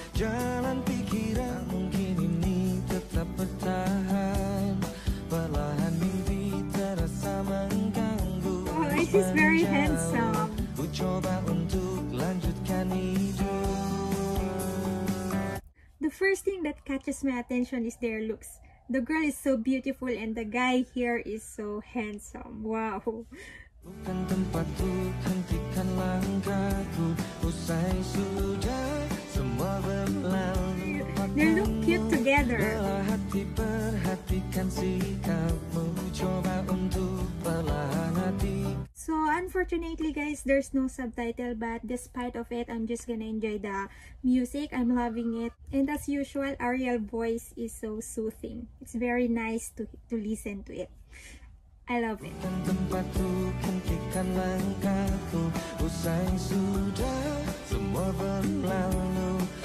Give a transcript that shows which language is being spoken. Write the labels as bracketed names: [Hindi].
[Indonesian] Jalan pikiran mungkin ini tetap bertahan. Perlahan mimpi terasa mengganggu. [English] Oh, she's very handsome. [Indonesian] Ku coba untuk lanjutkan hidup. [English] The first thing that catches my attention is their looks. The girl is so beautiful and the guy here is so handsome. [Indonesian] Wow. Bukan tempatku, hentikan langkahku. Usai sudah, semua berlalu. [English] They look cute together. [Indonesian] Hati perhatikan sikapmu, coba untuk perlahan hati. [English] So unfortunately guys, there's no subtitle, but despite of it, I'm just gonna enjoy the music. I'm loving it. And as usual, Ariel's voice is so soothing. It's very nice to listen to it. I love it. [Indonesian] Bukan tempatku, hentikan langkahku. Usai sudah, semua berlalu.